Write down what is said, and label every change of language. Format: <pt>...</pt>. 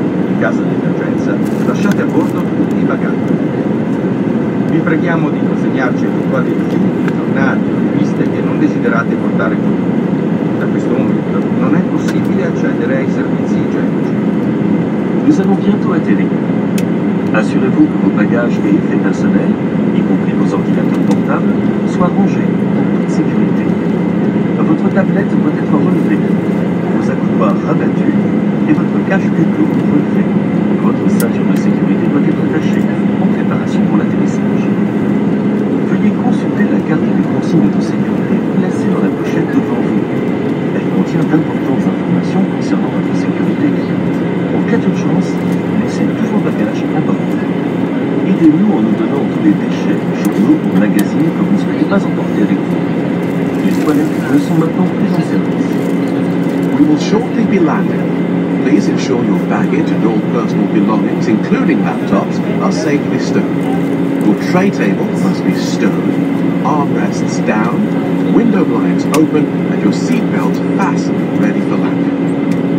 <it>In caso di emergenza, lasciate a bordo tutti i bagagli. Vi preghiamo di consegnarci eventuali rifiuti, giornali o riviste che non desiderate portare con voi. Da questo momento non è possibile accedere ai servizi igienici.</it> <fr>Nous avons bientôt atterri. Assurez-vous que vos bagages et effets personnels, y compris vos ordinateurs portables, soient rangés en toute sécurité. Votre tablette doit être relevée, vos accoudoirs rabattus et votre cache-culot relevé. Votre ceinture de sécurité doit être attachée en préparation pour l'atterrissage. Veuillez consulter la carte des consignes de sécurité placée dans la pochette devant vous. Elle contient d'importantes informations concernant votre sécurité. En cas d'urgence, laissez tous vos bagages à bord. Aidez-nous en nous donnant tous les déchets, journaux ou magazines que vous ne souhaitez pas emporter avec vous. Les toilettes ne sont maintenant plus en service.</fr> <en>We will shortly be landing. Please ensure your baggage and all personal belongings, including laptops, are safely stowed. Your tray table must be stowed, armrests down, window blinds open, and your seatbelt fastened, ready for landing.</en>